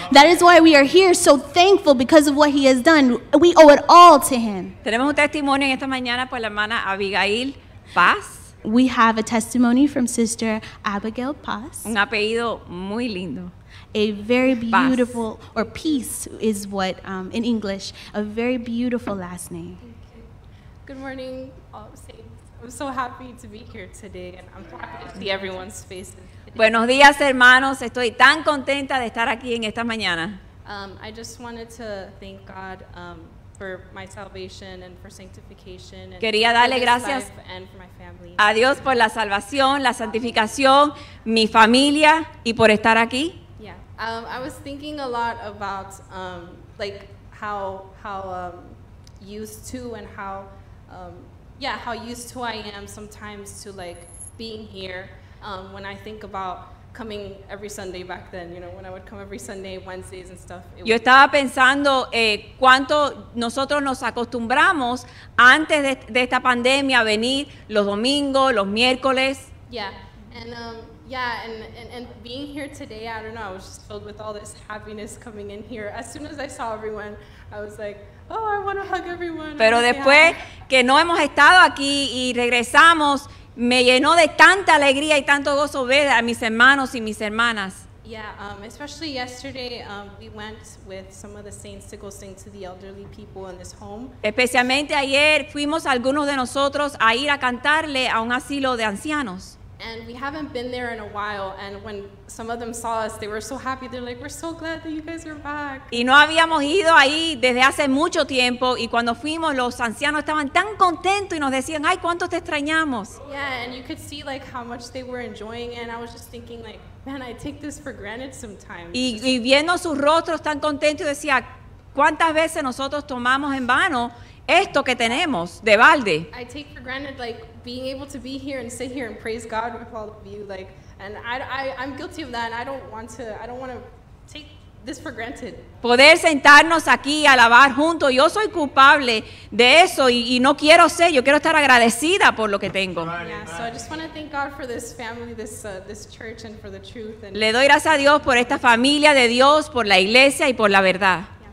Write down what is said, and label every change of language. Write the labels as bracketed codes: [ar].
[en] That is why we are here, so thankful because of what He has done. We owe it all to Him. [es] Tenemos un testimonio esta mañana por la hermana Abigail Paz. [en] We have a testimony from Sister Abigail Paz. [es] Un apellido muy lindo. [en] A very beautiful, Paz. Or peace is what, in English, a very beautiful last name. Good morning, all saints. I'm so happy to be here today, and I'm happy to see everyone's faces. [es] Buenos días, hermanos. Estoy tan contenta de estar aquí en esta mañana. [en] I just wanted to thank God for my salvation and for sanctification. [es] Quería darle gracias a Dios por la salvación, la santificación, mi familia y por estar aquí. [en] Yeah. I was thinking a lot about like how used to and how used to I am sometimes to like being here. When I think about coming every Sunday back then, you know, when I would come every Sunday, Wednesdays and stuff. [es] Yo estaba pensando cuánto nosotros nos acostumbramos antes de esta pandemia a venir los domingos, los miércoles. [en] Yeah, and being here today, I don't know, I was just filled with all this happiness coming in here. As soon as I saw everyone, I was like, oh, I want to hug everyone. [es] Pero después que no hemos estado aquí y regresamos, me llenó de tanta alegría y tanto gozo ver a mis hermanos y mis hermanas. [en] Yeah, especially yesterday, we went with some of the saints to go sing to the elderly people in this home. [es] Especialmente ayer fuimos algunos de nosotros a ir a cantarle a un asilo de ancianos. [en] And we haven't been there in a while. And when some of them saw us, they were so happy. They're like, we're so glad that you guys are back. [es] Y no habíamos ido ahí desde hace mucho tiempo. Y cuando fuimos, los ancianos estaban tan contentos y nos decían, ay, cuánto te extrañamos. [en] Yeah, and you could see like how much they were enjoying. And I was just thinking like, man, I take this for granted sometimes. [es] Y viendo sus rostros tan contentos, decía, ¿cuántas veces nosotros tomamos en vano esto que tenemos de balde? [en] I take for granted like being able to be here and sit here and praise God with all of you, like, and I'm guilty of that, and I don't want to take this for granted. [es] Poder sentarnos aquí y alabar juntos, yo soy culpable de eso y no quiero ser, yo quiero estar agradecida por lo que tengo. [en] Yeah, so I just want to thank God for this family, this church, and for the truth. [es] Le doy gracias a Dios por esta familia de Dios, por la iglesia y por la verdad.